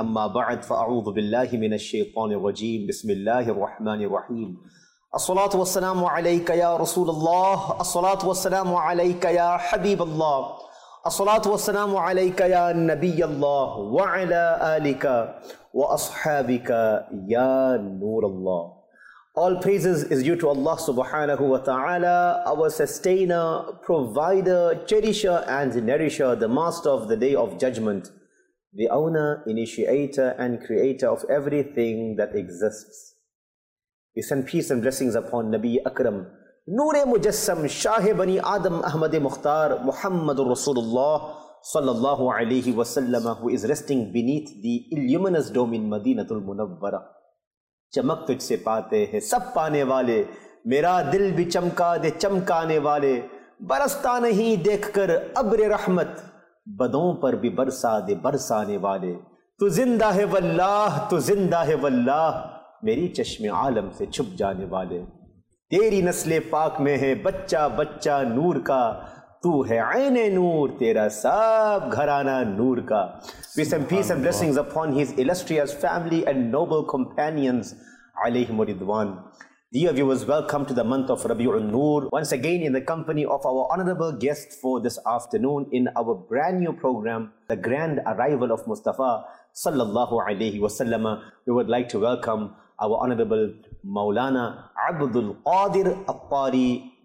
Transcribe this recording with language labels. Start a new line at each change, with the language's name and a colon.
Arabic: أما بعد, فأعوذ بالله من الشيطان الرجيم, بسم الله الرحمن الرحيم. الصلاة والسلام عليك يا رسول الله, الصلاة والسلام عليك يا حبيب الله, الصلاة والسلام عليك يا نبي الله وعلى آلك وأصحابك يا نور الله.
English: All praises is due to Allah subhanahu wa ta'ala, our sustainer, provider, cherisher and nourisher, the master of the day of judgment, the owner, initiator and creator of everything that exists. We send peace and blessings upon Nabi Akram, Noor-e-Mujassam, Shah-e-Bani Adam, Ahmad-e-Mukhtar, Muhammadur Rasulullah sallallahu alayhi wa sallam, who is resting beneath the illuminous dome in Madinatul Munawwara.
Urdu: چمک تجھ سے پاتے ہیں سب پانے والے, میرا دل بھی چمکا دے چمکانے والے, برستا نہیں دیکھ کر ابر رحمت, بدوں پر بھی برسا دے برسانے والے, تو زندہ ہے واللہ, تو زندہ ہے واللہ, میری چشم عالم سے چھپ جانے والے, تیری نسل پاک میں ہے بچہ بچہ نور کا, تو ہے عین نور, تیرا سب گھرانہ نور کا.
English: We send peace and blessings upon his illustrious family and noble companions, alayhim wa ridwan. Dear viewers, welcome to the month of Rabi'un Noor. Once again, in the company of our honorable guest for this afternoon in our brand new program, The Grand Arrival of Mustafa sallallahu alayhi wa sallam, we would like to welcome our honorable Maulana Abdul Qadir Al-Qari.